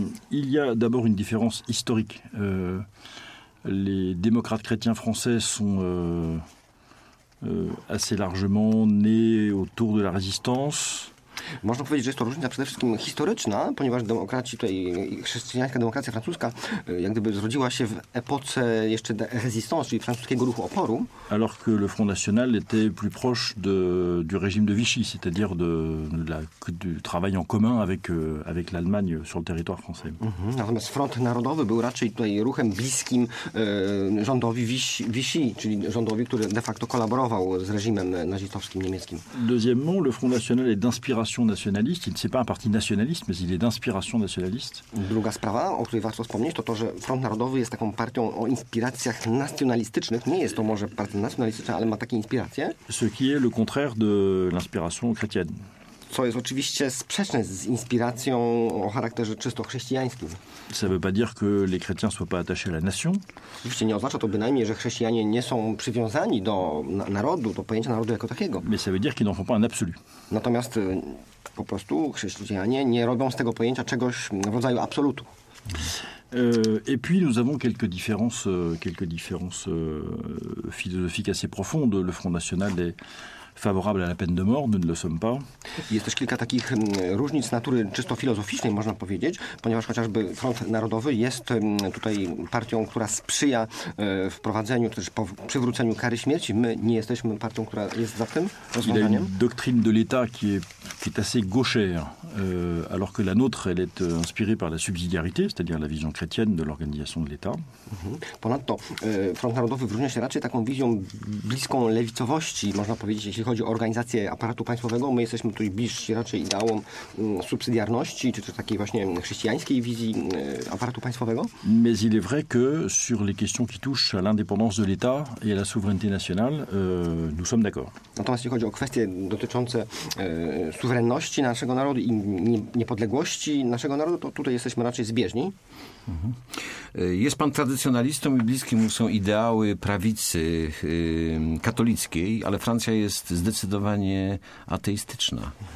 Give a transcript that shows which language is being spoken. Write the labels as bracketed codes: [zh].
[fr] Il y a d'abord une différence historique. Les démocrates chrétiens français sont assez largement nés autour de la résistance. [pl] Można powiedzieć, że jest to różnica przede wszystkim historyczna, ponieważ demokraci tutaj, chrześcijańska demokracja francuska, jak gdyby zrodziła się w epoce jeszcze résistance, czyli francuskiego ruchu oporu. [fr] Alors que le Front National était plus proche du régime de Vichy, c'est-à-dire du travail en commun avec l'Allemagne sur le territoire français. Mm-hmm. [pl] Natomiast Front Narodowy był raczej tutaj ruchem bliskim rządowi Vichy, czyli rządowi, który de facto kolaborował z reżimem nazistowskim niemieckim. [fr] Deuxièmement, le Front National est d'inspiration nationaliste. Il n'est pas un parti nationaliste, mais il est d'inspiration nationaliste. [pl] Druga sprawa, o której warto wspomnieć, to że Front Narodowy jest taką partią o inspiracjach nacjonalistycznych. Nie jest to może partia nacjonalistyczna, ale ma takie inspiracje. [fr] Ce qui est le contraire de l'inspiration chrétienne. [pl] Co jest oczywiście sprzeczne z inspiracją o charakterze czysto chrześcijańskim. [fr] Ça veut pas dire que les chrétiens soient pas attachés à la nation. [pl] Oczywiście nie oznacza to bynajmniej, że chrześcijanie nie są przywiązani do narodu, do pojęcia narodu jako takiego. [fr] Mais ça veut dire qu'ils n'en font pas un absolu. [pl] Natomiast po prostu chrześcijanie nie robią z tego pojęcia czegoś w rodzaju absolutu. [fr] Et puis nous avons quelques différences philosophiques assez profondes. Le Front National est favorable à la peine de mort, nous ne le sommes pas. [pl] Jest też kilka takich różnic natury czysto filozoficznej, można powiedzieć, ponieważ chociażby Front Narodowy jest tutaj partią, która sprzyja wprowadzeniu, czy też po przywróceniu kary śmierci. My nie jesteśmy partią, która jest za tym rozwiązaniem. [fr] Il y a une doctrine de l'État qui est assez gauchère, alors que la nôtre, elle est inspirée par la subsidiarité, c'est-à-dire la vision chrétienne de l'organisation de l'État. [pl] Ponadto Front Narodowy wyróżnia się raczej taką wizją bliską lewicowości, można powiedzieć, jeśli chodzi o organizację aparatu państwowego. My jesteśmy tutaj bliżsi raczej ideałom subsydiarności, czy też takiej właśnie chrześcijańskiej wizji aparatu państwowego. [fr] Mais il est vrai que sur les questions qui touchent à l'indépendance de l'État et à la souveraineté nationale, nous sommes d'accord. [pl] Natomiast jeśli chodzi o kwestie dotyczące suwerenności naszego narodu i niepodległości naszego narodu, to tutaj jesteśmy raczej zbieżni. Jest pan tradycjonalistą i bliskie mu są ideały prawicy katolickiej, ale Francja jest zdecydowanie ateistyczna.